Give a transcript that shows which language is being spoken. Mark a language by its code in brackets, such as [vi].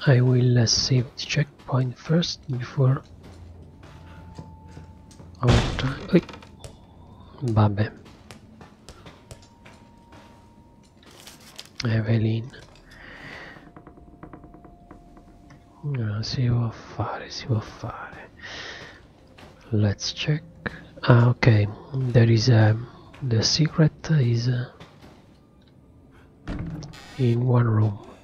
[en] I will save the checkpoint first before our time. [it] Vabbè, Evelyn, si può fare, si può fare. [en] Let's check. Ah, ok, there is a the secret is in one room.